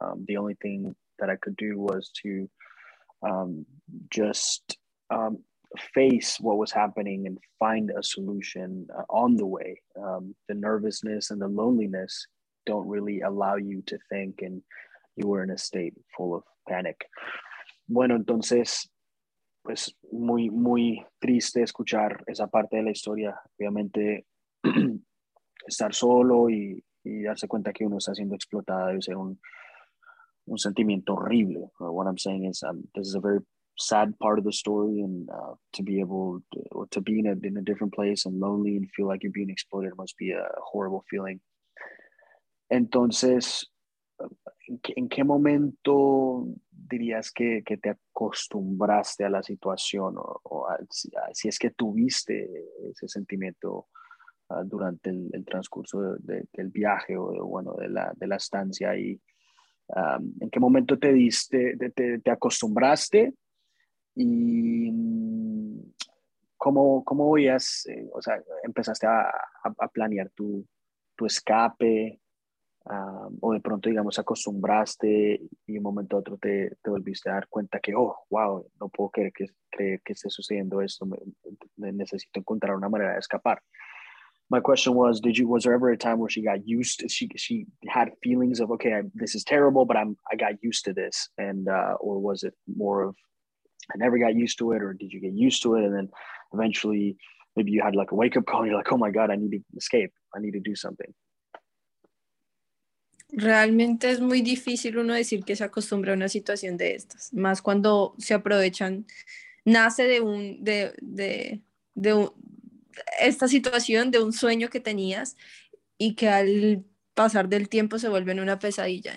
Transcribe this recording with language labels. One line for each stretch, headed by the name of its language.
English: The only thing that I could do was to just face what was happening and find a solution on the way. The nervousness and the loneliness don't really allow you to think, and you were in a state full of panic.
Spanish: Bueno, entonces, pues muy, muy triste escuchar esa parte de la historia. Obviamente, estar solo y darse cuenta que uno está siendo explotado debe ser un sentimiento horrible.
English: What I'm saying is, this is a very sad part of the story, and to be able to, or to be in a different place and lonely and feel like you're being exploited must be a horrible feeling.
Spanish: Entonces, ¿en qué momento dirías que te acostumbraste a la situación o si es que tuviste ese sentimiento durante el transcurso del viaje o de la estancia ahí? ¿En qué momento te acostumbraste? ¿Y cómo veías, o sea, empezaste a planear tu escape? O de pronto, digamos, acostumbraste y de un momento a otro te volviste a dar cuenta que, oh, wow, no puedo creer que esté sucediendo esto, necesito encontrar una manera de escapar.
English: My question was, was there ever a time where she got used to, she had feelings of, okay, this is terrible, but I got used to this, and or was it more of, I never got used to it, or did you get used to it, and then eventually maybe you had like a wake-up call, and you're like, oh my God, I need to escape, I need to do something.
Spanish: Realmente es muy difícil uno decir que se acostumbra a una situación de estas, más cuando se aprovechan, nace de un, esta situación, de un sueño que tenías y que al pasar del tiempo se vuelve en una pesadilla.